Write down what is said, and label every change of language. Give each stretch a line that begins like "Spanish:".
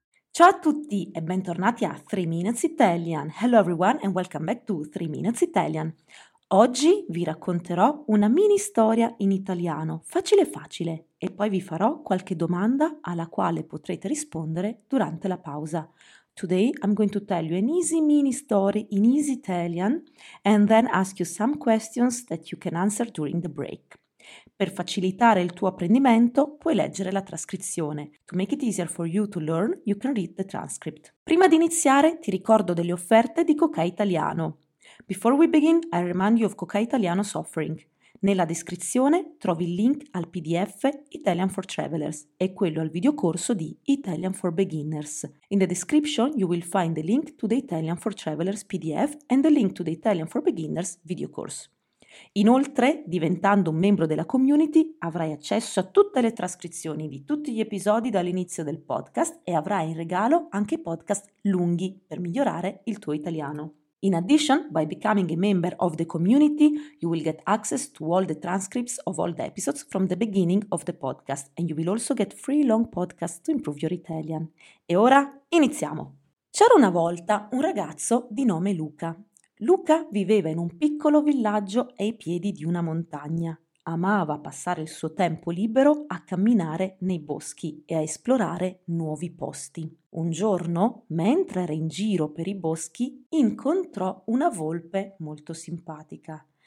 Italian: Ciao a tutti e bentornati a 3 Minutes Italian.
English: Hello everyone and welcome back to 3 Minutes Italian.
Italian: Oggi vi racconterò una mini storia in italiano, facile facile, e poi vi farò qualche domanda alla quale potrete rispondere durante la pausa.
English: Today I'm going to tell you an easy mini story in easy Italian and then ask you some questions that you can answer during the break.
Italian: Per facilitare il tuo apprendimento, puoi leggere la trascrizione.
English: To make it easier for you to learn, you can read the transcript.
Italian: Prima di iniziare, ti ricordo delle offerte di Cocai Italiano.
English: Before we begin, I remind you of Cocai Italiano's offering.
Italian: Nella descrizione trovi il link al PDF Italian for Travelers e quello al videocorso di Italian for Beginners.
English: In the description you will find the link to the Italian for Travelers PDF and the link to the Italian for Beginners videocourse.
Italian: Inoltre, diventando un membro della community, avrai accesso a tutte le trascrizioni di tutti gli episodi dall'inizio del podcast e avrai in regalo anche podcast lunghi per migliorare il tuo italiano.
English: In addition, by becoming a member of the community, you will get access to all the transcripts of all the episodes from the beginning of the podcast and you will also get free long podcasts to improve your Italian.
Italian: E ora, iniziamo! C'era una volta un ragazzo di nome Luca. Luca viveva in un piccolo villaggio ai piedi di una montagna. Amava passare il suo tempo libero a camminare nei boschi e a esplorare nuovi posti. Un giorno, mentre era in giro per i boschi, incontrò una volpe molto simpatica.